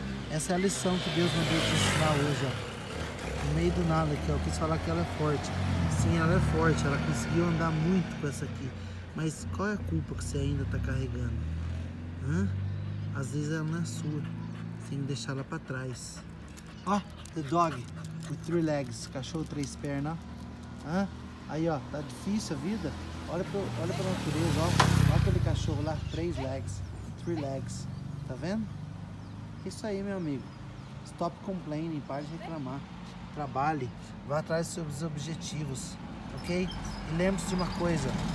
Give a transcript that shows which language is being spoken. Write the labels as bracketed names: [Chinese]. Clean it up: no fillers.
[Portuguese] Essa é a lição que Deus mandou te ensinar hoje, ó. No meio do nada aqui, ó. Eu quis falar que ela é forte. Sim, ela é forte. Ela conseguiu andar muito com essa aqui. Mas qual é a culpa que você ainda tá carregando? Hã? Às vezes ela não é sua. Tem que deixar ela pra trás. [English] Ó, the dog with three legs. [Portuguese] Cachorro três pernas, hã? Aí, ó. Tá difícil a vida? Olha pra natureza, ó. Olha aquele cachorro lá. Três legs. [English] Three legs. [Portuguese] Tá vendo? Isso aí, meu amigo. [English] Stop complaining. [Portuguese] Pare de reclamar. Trabalhe. Vá atrás dos seus objetivos. Ok? E lembre-se de uma coisa.